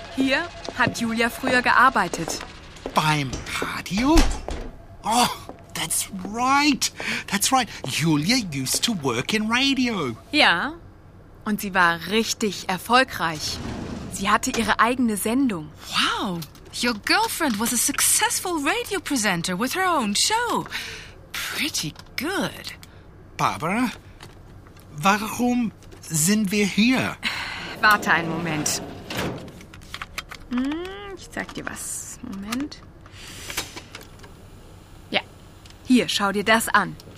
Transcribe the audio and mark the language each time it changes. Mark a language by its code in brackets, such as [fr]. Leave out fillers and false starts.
[de] Hier hat Julia früher gearbeitet. Beim Radio? [en] Oh, that's right. That's right. Julia used to work in radio. [de] Ja, und sie war richtig erfolgreich. Sie hatte ihre eigene Sendung. [en] Wow, your girlfriend was a successful radio presenter with her own show. Pretty good. [de] Barbara, warum sind wir hier? Warte einen Moment. Ich zeig dir was. Moment. Ja, hier, schau dir das an.